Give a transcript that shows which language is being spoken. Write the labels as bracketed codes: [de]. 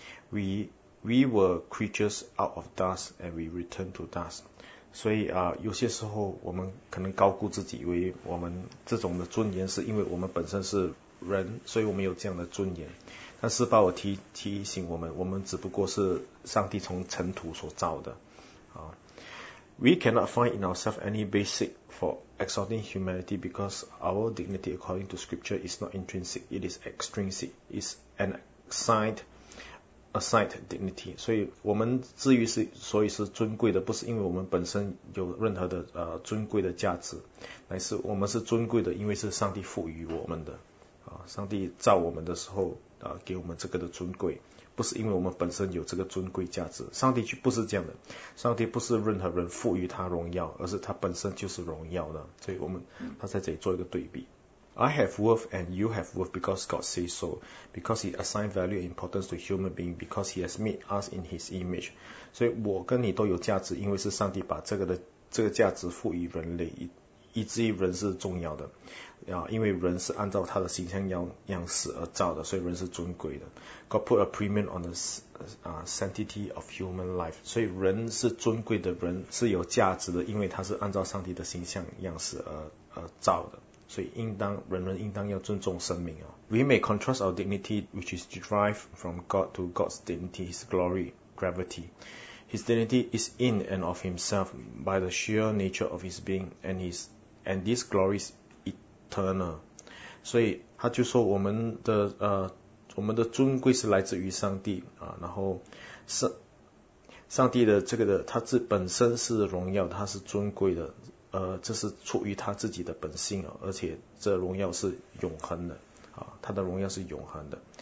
[en] We were creatures out of dust, and we return to dust. [zh] 所以有些时候我们可能高估自己，以为我们这种的尊严是因为我们本身是人，所以我们有这样的尊严。但是把我提醒我们，我们只不过是上帝从尘土所造的。 [en] We cannot find in ourselves any basic for exalting humanity because our dignity according to scripture is not intrinsic, it is extrinsic, it's an assigned dignity. [zh] 所以我们至于是所以是尊贵的，不是因为我们本身有任何的尊贵的价值，乃是我们是尊贵的，因为是上帝赋予我们的。上帝造我们的时候给我们这个的尊贵，不是因为我们本身有这个尊贵价值。上帝却不是这样的，上帝不是任何人赋予他荣耀，而是他本身就是荣耀的。所以我们他在这里做一个对比。 [en] I have worth and you have worth because God says so, because he assigned value and importance to human being, because he has made us in his image. [zh] 所以我跟你都有价值，因为是上帝把这个价值赋予人类，以至于人是重要的，因为人是按照他的形象样式而造的，所以人是尊贵的。 [en] God put a premium on the sanctity of human life. [zh] 所以人是尊贵的，人是有价值的，因为他是按照上帝的形象样式而造的。所以人人应当要尊重生命。 [en] We may contrast our dignity, which is derived from God, to God's dignity, His glory, gravity. His dignity is in and of Himself by the sheer nature of His being, and this glory is eternal. [zh] 所以他就说我们的尊贵是来自于上帝然后上帝的这个的他自本身是荣耀，他是尊贵的。这是出于他自己的本性，而且这荣耀是永恒的，他的荣耀是永恒的。